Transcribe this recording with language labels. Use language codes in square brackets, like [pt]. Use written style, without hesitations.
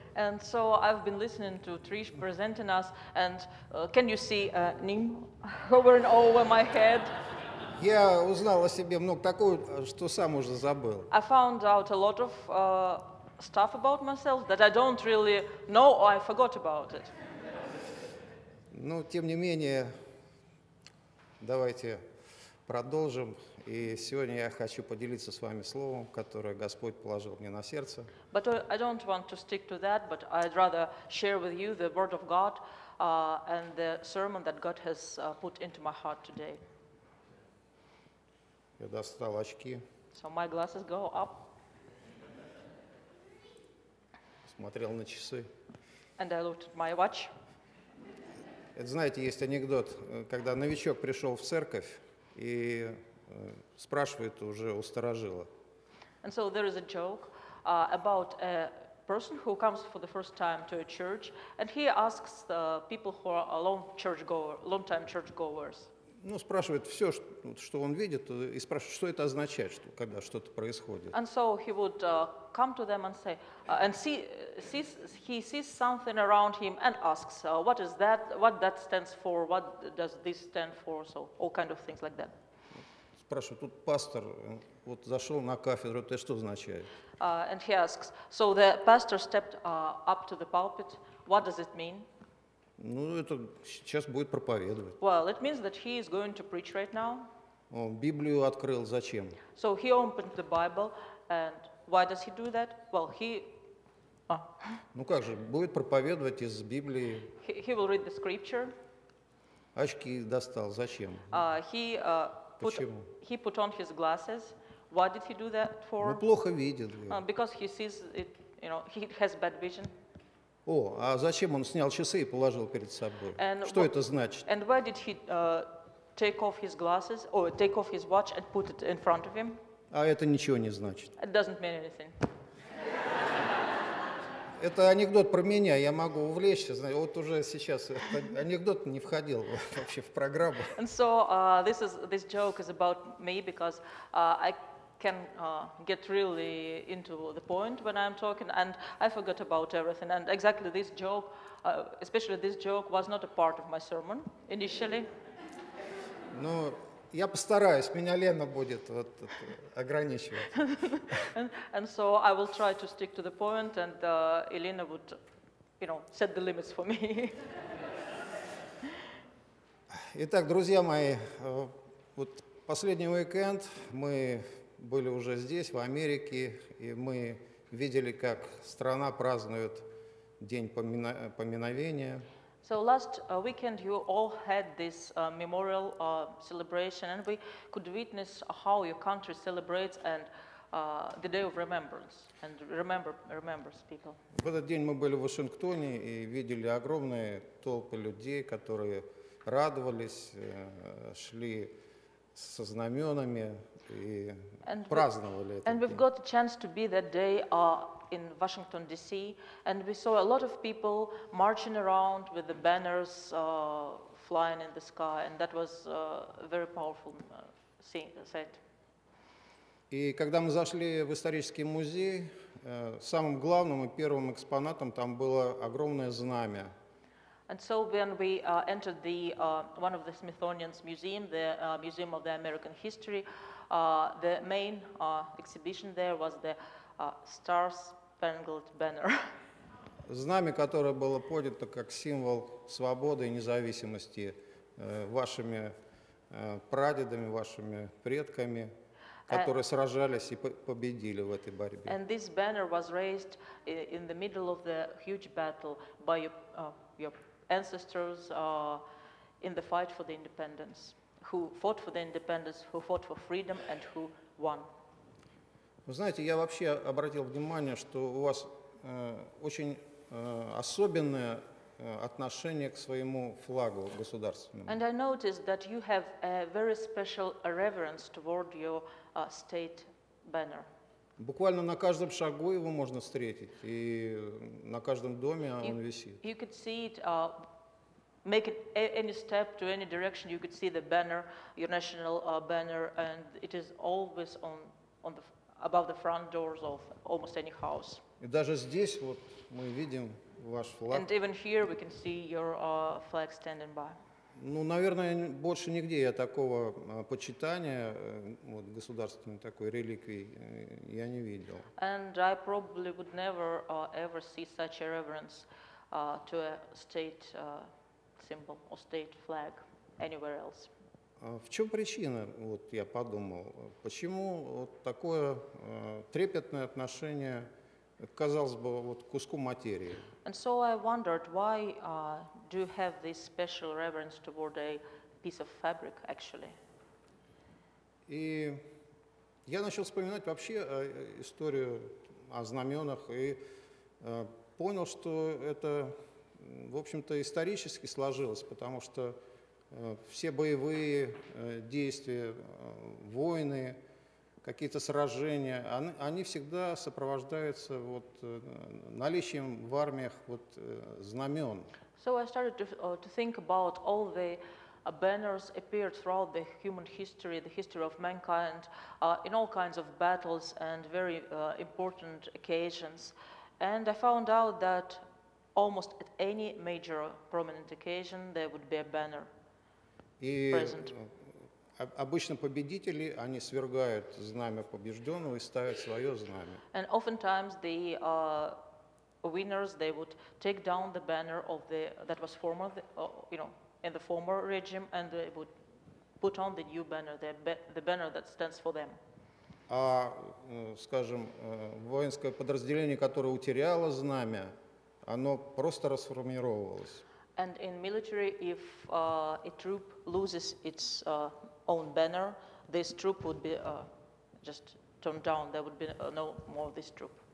[en] And so I've been listening to Trish presenting us, and can you see a nimb hovering over my head? [ru] Я узнал о себе много такого, что сам уже забыл. [en] I found out a lot of stuff about myself that I don't really know or I forgot about it. [ru] Но тем не менее, давайте продолжим. И сегодня я хочу поделиться с вами словом, которое Господь положил мне на сердце. [en] But I don't want to stick to that, but I'd rather share with you the word of God and the sermon that God has put into my heart today. [ru] Я достал очки. [en] So my glasses go up. [ru] Смотрел на часы. [en] And I looked at my watch. [ru] Это, знаете, есть анекдот, когда новичок пришел в церковь и спрашивает уже у старожила. [en] And so there is a joke about a person who comes for the first time to a church, and he asks the people who are long-time churchgoers. [ru] Ну, спрашивает все, что он видит, и спрашивает, что это означает, что, когда что-то происходит. [en] And so he would come to them and say, and he sees something around him and asks, what is that, what that stands for, what does this stand for, so all kind of things like that. [ru] Спрашивает, тут пастор вот зашел на кафедру, это что означает? [en] And he asks, so the pastor stepped up to the pulpit, what does it mean? [ru] Ну, это сейчас будет проповедовать. [en] Well, it means that he is going to preach right now. [ru] Он Библию открыл, зачем? [en] So he opened the Bible, and why does he do that? Well, he... [ru] Ну как же, будет проповедовать из Библии. [en] He will read the scripture. [ru] Очки достал, зачем? [en] He put on his glasses. Why did he do that for? [ru] Ну, плохо видит. [en] Because he sees it, you know, he has bad vision. [ru] О, а зачем он снял часы и положил перед собой? [en] And [ru] что это значит? [en] And why did he take off his glasses or take off his watch and put it in front of him? [ru] А это ничего не значит. [en] It doesn't mean anything. [ru] Это анекдот про меня, я могу увлечься, знаете, вот уже сейчас анекдот не входил вообще в программу. [en] And so this joke is about me because I can get really into the point when I'm talking and I forgot about everything. And exactly this joke, especially this joke, was not a part of my sermon initially. [ru] Но я постараюсь, меня Лена будет вот ограничивать. [en] And so I will try to stick to the point and Elena would, you know, set the limits for me. [ru] Итак, друзья мои, вот последний уикенд мы были уже здесь, в Америке, и мы видели, как страна празднует День поминовения. [en] So last weekend you all had this memorial celebration, and we could witness how your country celebrates and the Day of Remembrance and remembers people. [ru] В этот день мы были в Вашингтоне и видели огромные толпы людей, которые радовались, шли со знаменами и праздновали это. [en] And we've got a chance to be that day in Washington D.C. and we saw a lot of people marching around with the banners flying in the sky, and that was a very powerful sight. [ru] И когда мы зашли в исторический музей, самым главным и первым экспонатом там было огромное знамя. [en] And so when we entered the one of the Smithsonian's museum, the Museum of the American History, the main exhibition there was the Star-Spangled Banner. [ru] Знамя, которое было поднято как символ свободы и независимости вашими прадедами, вашими предками, которые сражались и победили в этой борьбе. [en] And this banner was raised in the middle of the huge battle by your ancestors in the fight for the independence, who fought for the independence, who fought for freedom, and who won. [ru] Вы знаете, я вообще обратил внимание, что у вас очень особенное отношение к своему флагу государственному. [en] And I noticed that you have a very special reverence toward your state banner. [ru] Буквально на каждом шагу его можно встретить, и на каждом доме он висит. [en] You could see it, make it any step to any direction, you could see the banner, your national banner, and it is always on the above the front doors of almost any house. [ru] И даже здесь вот мы видим ваш флаг. [en] And even here we can see your flag standing by. [ru] Ну, наверное, больше нигде я такого почитания вот государственной такой реликвии я не видел. [en] And I probably would never ever see such a reverence to a state symbol or state flag anywhere else. [ru] В чем причина, вот я подумал, почему вот такое трепетное отношение, казалось бы, вот куску материи? [en] And so I wondered, why do you have this special reverence toward a piece of fabric, actually? [ru] И я начал вспоминать вообще историю о знаменах и понял, что это, в общем-то, исторически сложилось, потому что все боевые действия, войны, какие-то сражения, они всегда сопровождаются вот наличием в армиях вот знамён. [en] So I started to think about all the banners appeared throughout the human history, the history of mankind, in all kinds of battles and very important occasions. And I found out that almost at any major prominent occasion there would be a banner. [ru] И обычно победители, они свергают знамя побежденного и ставят свое знамя. [en] And oftentimes the winners, they would take down the banner of the that was former, you know, in the former regime, and they would put on the new banner, the banner that stands for them. [ru] А, скажем, воинское подразделение, которое утеряло знамя, оно просто расформировалось. [en] And in military, if a troop loses its own banner, this troop would be just turned down. There would be no more of this troop.